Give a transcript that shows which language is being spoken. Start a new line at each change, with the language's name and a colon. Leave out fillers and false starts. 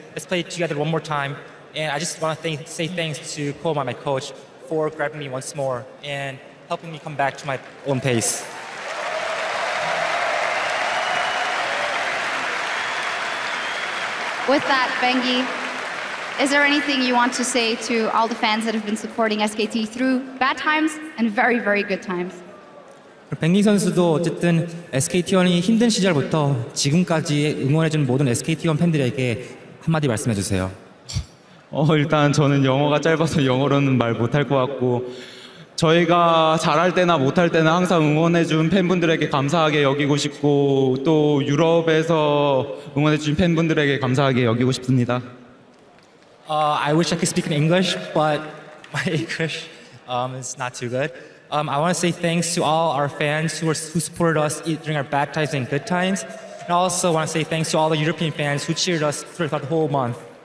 English: Let's play together one more time. And I just want to say thanks to Koma, my coach, for grabbing me once more and helping me come back to my own pace. With that, Bengi, is there anything you want to say to all the fans that have been supporting SKT through bad times and very, very good times?
Korean: 뱅기 선수도 어쨌든 SKT1이 힘든 시절부터 지금까지 응원해준 모든 SKT1 팬들에게 한마디 말씀해주세요. 일단 저는 영어가 짧아서 영어로는 말 못할 것 같고 저희가 잘할 때나 못할 때나 항상 응원해준 팬분들에게 감사하게 여기고 싶고 또 유럽에서 응원해준 팬분들에게 감사하게 여기고 싶습니다.
English: I wish I could speak in English, but my English is not too good. I want to say thanks to all our fans who supported us during our bad times and good times. And I also want to say thanks to all the European fans who cheered us throughout the whole month.